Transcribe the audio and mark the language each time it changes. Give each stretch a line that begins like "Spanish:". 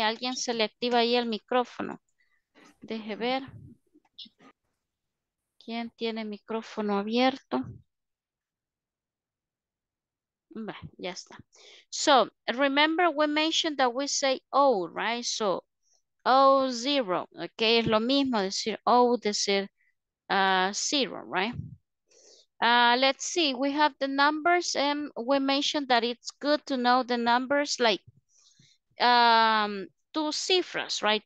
Spanish: Alguien se le activa ahí el micrófono. Deje ver. ¿Quién tiene micrófono abierto? Bueno, ya está.
English: So remember we mentioned that we say oh, right? So oh, zero.
Spanish: Okay, es lo mismo decir oh, decir zero, right?
English: Let's see, we have the numbers and we mentioned that it's good to know the numbers, like two cifras, right?